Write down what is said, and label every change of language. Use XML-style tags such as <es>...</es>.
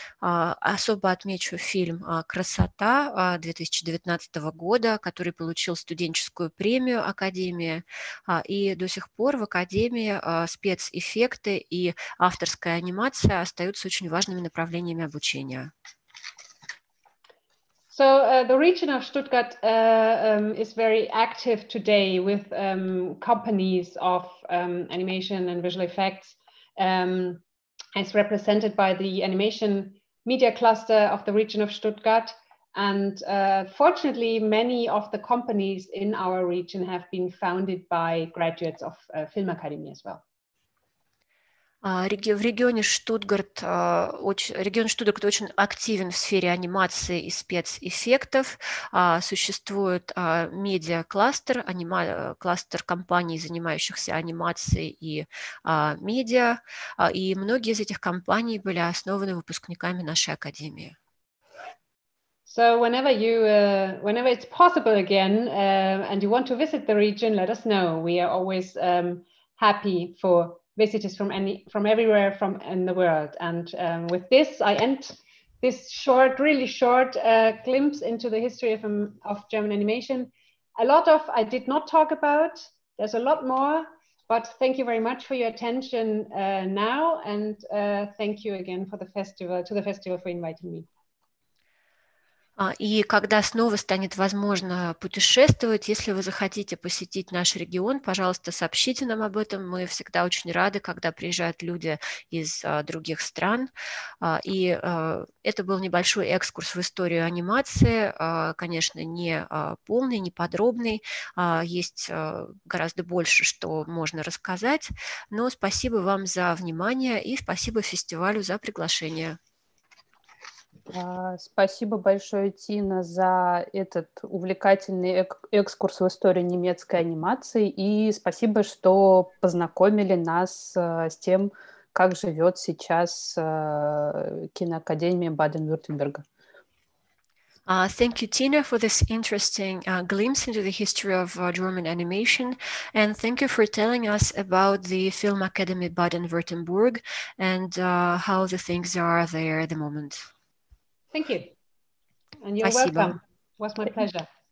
<ru>Особо отмечу фильм «Красота» 2019 года, который получил студенческую премию Академии. И до сих пор в Академии спецэффекты и авторская анимация остаются очень важными направлениями обучения.</ru> <en>So the region of Stuttgart is very active today with companies of animation and visual effects, as represented by the animation media cluster of the region of Stuttgart. And fortunately, many of the companies in our region have been founded by graduates of Film Academy as well.</en> <ru>Регион Штутгарт очень активен в сфере анимации и спецэффектов. Существует медиа-кластер, кластер компаний, занимающихся анимацией и медиа. И многие из этих компаний были основаны выпускниками нашей академии.</ru> <en>So whenever you, whenever it's possible again, and you want to visit the region, let us know. We are always happy for visitors from everywhere from in the world. And with this, I end this short, really short glimpse into the history of German animation. A lot of I did not talk about. There's a lot more, but thank you very much for your attention now, and thank you again for the festival to the festival for inviting me.</en> <ru>И когда снова станет возможно путешествовать, если вы захотите посетить наш регион, пожалуйста, сообщите нам об этом. Мы всегда очень рады, когда приезжают люди из других стран. И это был небольшой экскурс в историю анимации. Конечно, не полный, не подробный. Есть гораздо больше, что можно рассказать. Но спасибо вам за внимание и спасибо фестивалю за приглашение. Спасибо большое, Тина, за этот увлекательный экскурс в историю немецкой анимации, и спасибо, что познакомили нас с тем, как живет сейчас киноакадемия Баден-Вюртемберга.</ru> <en>Thank you, Tina, for this interesting glimpse into the history of German animation. And thank you for telling us about the Film Academy Baden-Württemberg and how the things are there at the moment. Thank you. And you're welcome. It was my pleasure.</en>